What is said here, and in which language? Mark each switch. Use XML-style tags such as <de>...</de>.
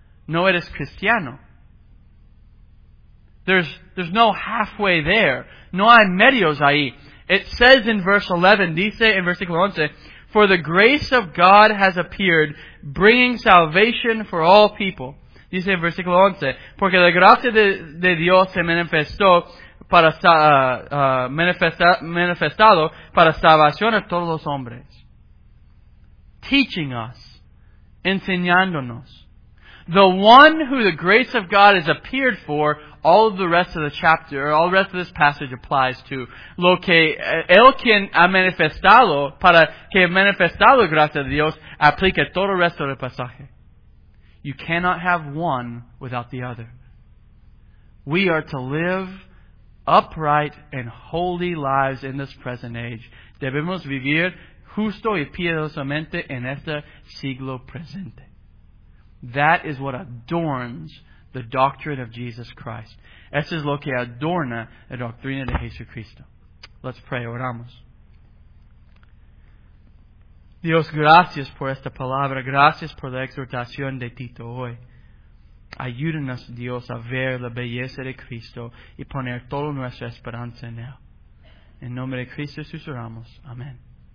<es>No eres cristiano.</es> <en>There's no halfway there.</en> <es>No hay medios ahí.</es> <en>It says in verse 11,</en> <es>dice en versículo 11,</es> <en>for the grace of God has appeared, bringing salvation for all people.</en> <es>Dice en versículo 11, porque la gracia de Dios se manifestó para manifestado para salvación a todos los hombres.</es> <en>Teaching us.</en> <es>Enseñándonos.</es> <en>The one who the grace of God has appeared for, all of the rest of the chapter, or all the rest of this passage applies to.</en> <es>Lo que el quien ha manifestado, para que ha manifestado gracia de Dios, aplica todo el resto del pasaje.</es> <en>You cannot have one without the other. We are to live upright and holy lives in this present age.</en> <es>Debemos vivir justo y piadosamente en este siglo presente.</es> <en>That is what adorns the doctrine of Jesus Christ.</en> <es>Eso es lo que adorna la doctrina de Jesucristo.</es> <en>Let's pray.</en> <es>Oramos. Dios, gracias por esta palabra. Gracias por la exhortación de Tito hoy. Ayúdanos, Dios, a ver la belleza de Cristo y poner toda nuestra esperanza en Él. En nombre de Cristo Jesús oramos. Amén.</es>